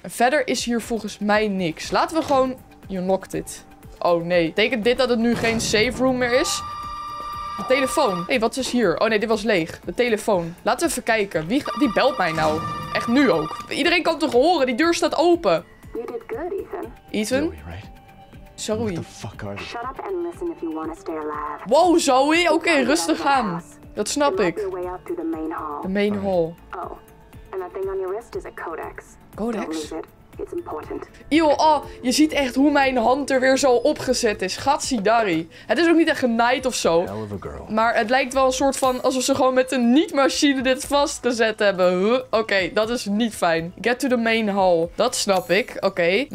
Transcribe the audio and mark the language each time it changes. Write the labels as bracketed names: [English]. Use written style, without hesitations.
[Dutch] En verder is hier volgens mij niks. Laten we gewoon... [English] You locked it. [Dutch] Oh nee. Betekent dit dat het nu geen safe room meer is? De telefoon. Hé, wat is hier? Oh nee, dit was leeg. De telefoon. Laten we even kijken. Wie belt mij nou? Echt nu ook. Iedereen kan toch horen? Die deur staat open. [English] You did good, Ethan. Ethan? Zoe, right? Zoe. What the fuck are you? Shut up and listen if you want to stay alive. [Dutch] Wow, Zoe. Oké, okay, rustig aan. Dat snap ik. [English] Your way up to the main hall. The main hall. Oh. And that thing on your wrist is a codex. Codex? Don't lose it. It's important. [Dutch] Yo, oh, je ziet echt hoe mijn hand er weer zo opgezet is. Gatsidari. Het is ook niet echt een knight of zo. [English] Hell of a girl. [Dutch] Maar het lijkt wel een soort van alsof ze gewoon met een niet-machine dit vastgezet hebben. Huh? Oké, dat is niet fijn. [English] Get to the main hall. [Dutch] Dat snap ik. Oké.